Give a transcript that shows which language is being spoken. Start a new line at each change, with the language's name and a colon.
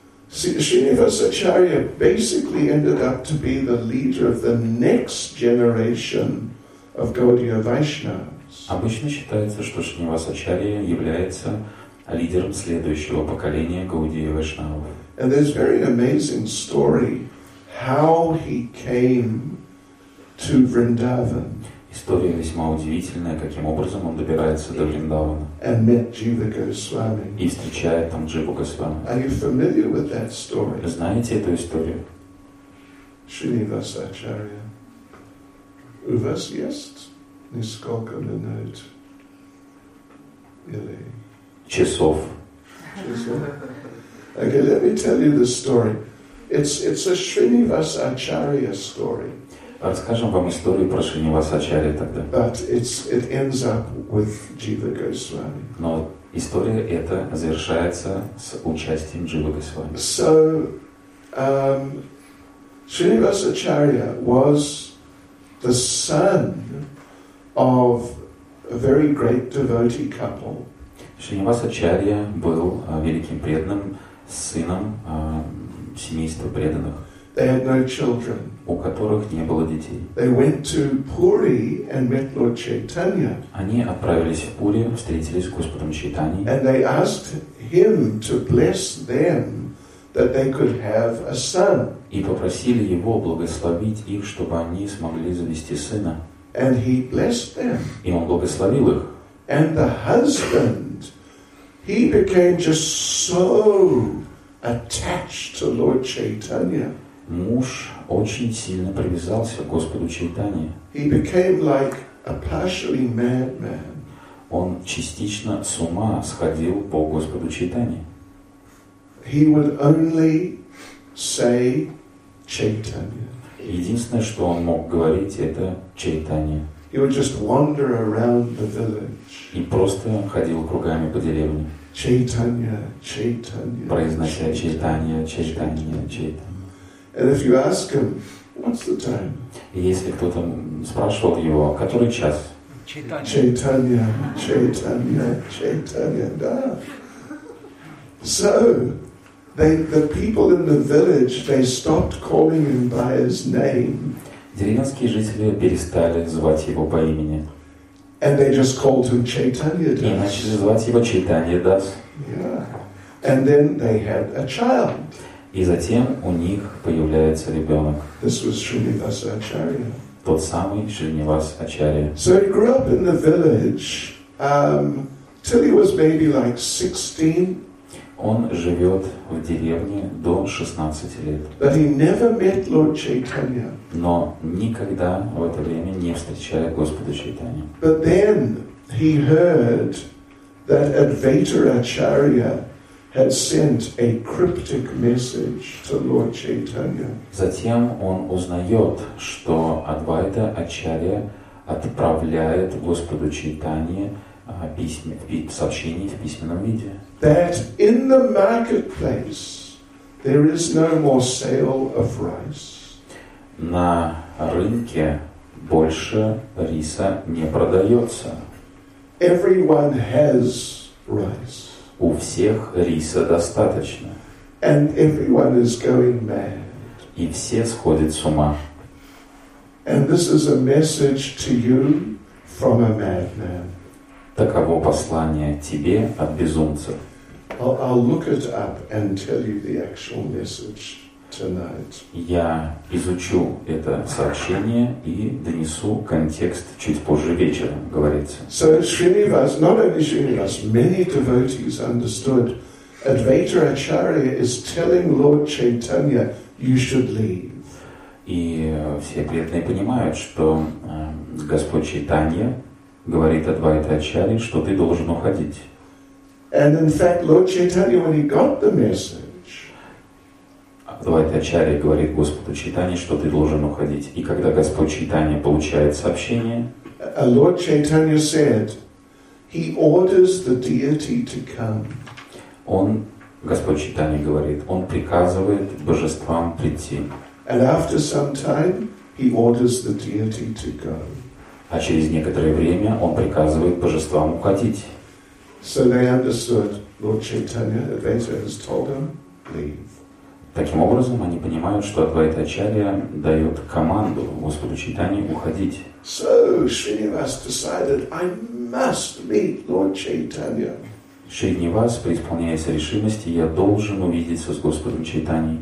English: Шринивас Ачарья basically ended up to be the leader of the next generation of Gaudiya Vaishnavas.
Russian: Обычно считается, что Шринивас Ачарья является лидером следующего поколения Гаудии Вайшнавов.
English: And there's very amazing story how he came to Vrindavan.
Russian: История весьма удивительная, каким образом он добирается до Вриндавана.
English: And met Jiva Goswami.
Russian: И встречает там Дживу Госвами.
English: Are you familiar with that story?
Russian: Знаете эту историю? Шринивас Ачарья. У вас есть несколько минут? Или... часов.
English: Okay, let me tell you the story. It's a Srinivas Acharya story.
Russian: Расскажем вам историю про Шринивас Ачарья тогда.
English: But it ends up with Jiva Goswami.
Russian: Но история эта завершается с участием Дживы Госвами.
English: So, Srinivas Acharya was the son of a very great devotee couple.
Russian: Шринивас Ачарья был великим преданным сыном семейства преданных.
English: They had no children.
Russian: У которых не было детей.
English: They went to Puri and met Lord Chaitanya.
Russian: Они отправились в Пури, встретились с Господом Чайтаньей.
English: And they asked him to bless them that they could have a son.
Russian: И попросили его благословить их, чтобы они смогли завести сына.
English: And he blessed them.
Russian: И он благословил их.
English: And the husband, he became just so attached to Lord Chaitanya.
Russian: Муж очень сильно привязался к Господу Чайтани.
English: He became like a partially mad man.
Russian: Он частично с ума сходил по Господу Чайтани.
English: He would only say Chaitanya.
Russian: Единственное, что он мог говорить, это Чайтани.
English: He would just wander around the village.
Russian: И просто ходил кругами по деревне.
English: Chaitanya, Chaitanya.
Russian: Произнося Чайтанья, Чайтанья, Чайтанья.
English: And if you ask him, what's the time?
Russian: И если кто-то спрашивал его, который час? Chaitanya, Chaitanya, Chaitanya, да.
English: So, the people in the village, they stopped calling him by his name.
Russian: Деревенские жители перестали звать его по имени.
English: And they just called him Chaitanya Das.
Russian: И начали звать его Чайтанья Дас.
English: Yeah. And then they had a child.
Russian: И затем у них появляется ребенок.
English: This was Srinivas Acharya.
Russian: Тот самый Шринивас Ачарья.
English: So he grew up in the village till he was maybe like 16.
Russian: Он живет в деревне до 16 лет.
English: But he never met Lord Chaitanya.
Russian: Но никогда в это время не встречает Господа Чайтанья.
English: But then he heard that Advaita Acharya had sent a cryptic message to Lord Chaitanya.
Russian: Затем он узнает, что Адвайта Ачарья отправляет Господу Чайтанье сообщение в письменном виде.
English: That in the marketplace there is no more sale of rice.
Russian: На рынке больше риса не продается.
English: Everyone has rice.
Russian: У всех риса достаточно.
English: And everyone is going mad.
Russian: И все сходят с ума.
English: And this is a message to you from a madman.
Russian: Таково послание тебе от безумцев.
English: I'll look it up and tell you the actual message tonight.
Russian: Я изучу это сообщение и донесу контекст чуть позже вечером, говорится.
English: So Srinivas, not only Srinivas, many devotees understood. Advaita Acharya is telling Lord Chaitanya, you should leave.
Russian: И все преданные понимают, что Господь Чайтанья говорит Адвайта Ачарье, что ты должен уходить.
English: And in fact, Lord Chaitanya, when he got the message,
Russian: Адвайта Ачарья говорит Господу Чайтанье, что ты должен уходить. И когда Господь Чайтанья получает сообщение,
English: Lord Chaitanya said, he orders the deity to come.
Russian: Он, Господь Чайтанья говорит, он приказывает божествам прийти.
English: And after some time, he orders the deity to go.
Russian: А через некоторое время он приказывает божествам уходить.
English: So they understood Lord Chaitanya Advaita has told them leave.
Russian: Таким образом они понимают, что Адвайта Ачарья дает команду Господу Чайтанье уходить.
English: So Srinivas decided I must meet Lord Chaitanya.
Russian: Шринивас, преисполняясь решимости, я должен увидеться с Господом Чайтаньей.